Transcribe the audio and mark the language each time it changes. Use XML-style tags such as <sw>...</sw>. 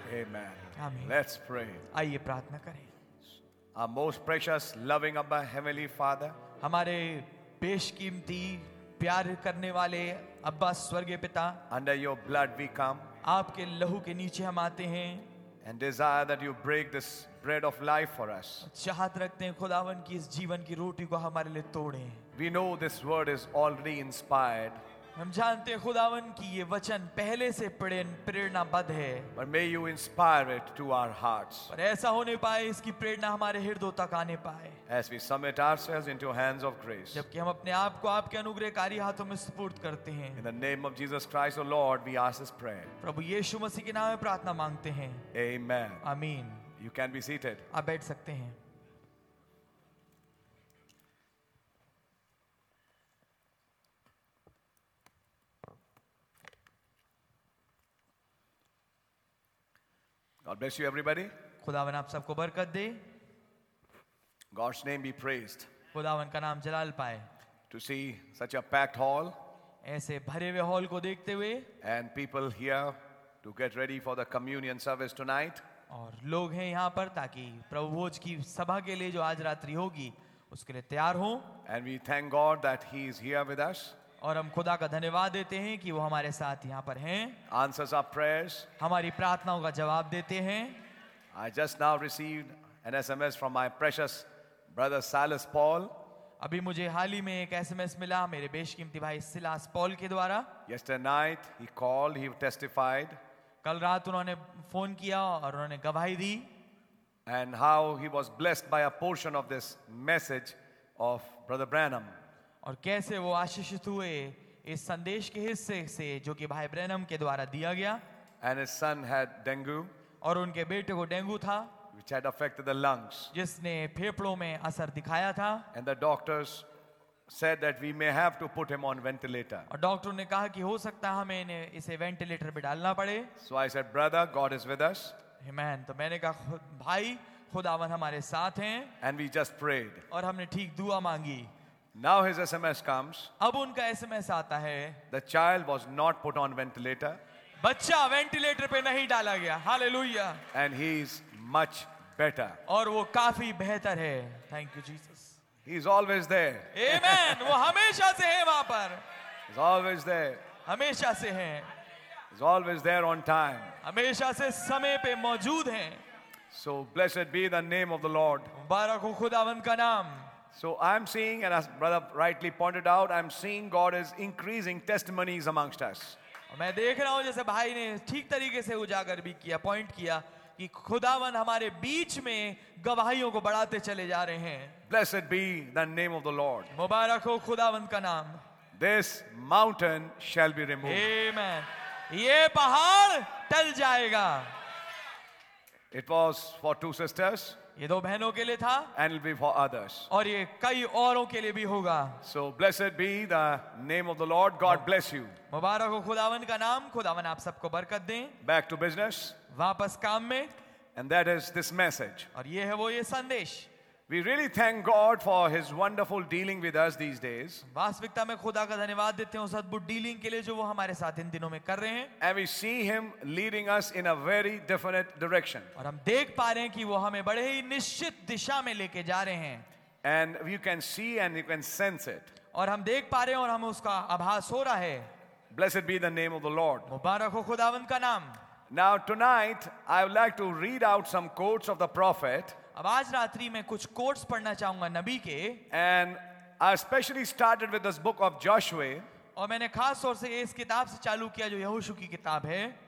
<en>आमीन Amen. Let's pray.</en> <hi>आइए प्रार्थना करें.</hi> <en>Our most precious, loving Abba, Heavenly Father.</en> <hi>हमारे बेशकीमती प्यार करने वाले अब्बा स्वर्गीय पिता.</hi> <en>Under your blood we come.</en> <hi>आपके लहू के नीचे हम आते हैं.</hi> <en>And desire that you break this bread of life for us.</en> <hi>चाहत रखते हैं खुदावन की इस जीवन की रोटी को हमारे लिए तोड़ें.</hi> <en>We know this word is already inspired.</en> <hi>हम जानते हैं खुदावन की ये वचन पहले से प्रेरणाबद्ध है</hi> <en>But may you inspire it to our hearts.</en> <hi>पर ऐसा होने पाए इसकी प्रेरणा हमारे हृदयों तक आने पाए</hi> <en>As we submit ourselves into hands of grace.</en> <hi>जबकि हम अपने आप को आपके अनुग्रहकारी हाथों में सुपुर्द करते हैं</hi> <en>In the name of Jesus Christ, O Lord, we ask this prayer.</en> <hi>प्रभु यीशु मसीह के नाम में प्रार्थना मांगते हैं</hi> <en>Amen.</en> <hi>आमीन.</hi> <en>You can be seated.</en> <hi>आप बैठ सकते हैं</hi> <en>God bless you, everybody.</en> <hi>खुदावन आप सबको बरकत दे.</hi> <en>God's name be praised.</en> <hi>खुदावन का नाम जलाल पाए.</hi> <en>To see such a packed hall.</en> <hi>ऐसे भरे हुए हॉल को देखते हुए.</hi> <en>And people here to get ready for the communion service tonight.</en> <hi>और लोग हैं यहाँ पर ताकि प्रभु भोज की सभा के लिए जो आज रात्रि होगी उसके लिए तैयार हों.</hi> <en>And we thank God that He is here with us.</en> <hi>और हम खुदा का धन्यवाद देते हैं कि वो हमारे साथ यहाँ पर हैं।</hi> <en>Answers our prayers.</en> <hi>हमारी प्रार्थनाओं का जवाब देते हैं।</hi> <en>I just now received an SMS from my precious brother Silas Paul.</en> <hi>अभी मुझे हाल ही में एक SMS मिला मेरे बेशकीमती भाई सिलास पॉल के द्वारा।</hi> <en>Yesterday night he called, he testified.</en> <hi>कल रात उन्होंने फोन किया और उन्होंने गवाही दी।</hi> <en>And how he was blessed by a portion of this message of brother Branham.</en> <hi>और कैसे वो आशीषित हुए इस संदेश के हिस्से से जो कि भाई ब्रैनम के द्वारा दिया गया</hi> <en>And his son had dengue.</en> <hi>और उनके बेटे को डेंगू था</hi> <en>which had affected the lungs</en> <hi>जिसने फेफड़ों में असर दिखाया था</hi> <en>and the doctors said that we may have to put him on ventilator</en> <hi>और डॉक्टर ने कहा कि हो सकता है हमें इसे वेंटिलेटर पे डालना पड़े</hi> <en>so I said brother God is with us</en> <hi>amen तो मैंने कहा भाई खुदावन हमारे साथ हैं</hi> <en>and we just prayed</en> <hi>और हमने ठीक दुआ मांगी</hi> <en>Now his SMS comes.</en> <hi>अब उनका SMS आता है.</hi> <en>The child was not put on ventilator.</en> <hi>बच्चा वेंटिलेटर पे नहीं डाला गया.</hi> <en>Hallelujah. And he is much better.</en> <hi>और वो काफी बेहतर है.</hi> <en>Thank you, Jesus. He is always there.</en> <hi>Amen. वो हमेशा से है वहाँ पर.</hi> <en>He is always there.</en> <hi>हमेशा से है.</hi> <en>He is always there on time.</en> <hi>हमेशा से समय पे मौजूद है.</hi> <en>So blessed be the name of the Lord.</en> <hi>बारक हो खुदावन का नाम.</hi> <en>So I'm seeing, and as brother rightly pointed out, I'm seeing God is increasing testimonies amongst us.</en> <hi>मैं देख रहा हूँ जैसे भाई ने ठीक तरीके से उजागर भी किया, point किया कि खुदावन हमारे बीच में गवाहियों को बढ़ाते चले जा रहे हैं.</hi> <en>Blessed be the name of the Lord.</en> <hi>मुबारक हो खुदावन का नाम.</hi> <en>This mountain shall be removed.</en> <hi>Amen. ये पहाड़ टल जाएगा.</hi> <en>It was for two sisters.</en> <hi>ये दो बहनों के लिए था</hi> <en>and it'll be for others.</en> <hi>और ये कई औरों के लिए भी होगा</hi> <en>So blessed be the name of the Lord. God bless you.</en> <hi>मुबारक हो खुदावन का नाम. खुदावन आप सबको बरकत दें.</hi> <en>Back to business.</en> <hi>वापस काम में.</hi> <en>And that is this message.</en> <hi>और ये है वो ये संदेश.</hi> <en>We really thank God for His wonderful dealing with us these days.</en> <hi>वास्तविकता में खुदा का धन्यवाद देते हैं उस अद्भुत डीलिंग के लिए जो वो हमारे साथ इन दिनों में कर रहे हैं.</hi> <en>And we see Him leading us in a very definite direction.</en> <hi>और हम देख पा रहे हैं कि वो हमें बड़े ही निश्चित दिशा में लेके जा रहे हैं.</hi> <en>And you can see and you can sense it.</en> <hi>और हम देख पा रहे हैं और हम उसका आभास हो रहा है.</hi> <en>Blessed be the name of the Lord.</en> <hi>मुबारक हो खुदावन का नाम.</hi> <en>Now tonight I would like to read out some quotes of the prophet.</en> <hi>अब आज रात्रि में कुछ कोट्स पढ़ना चाहूंगा नबी के</hi> <en>and I specially started with this book of Joshua</en> <hi>और मैंने खास तौर से इस किताब से चालू किया जो यहोशू की किताब है</hi>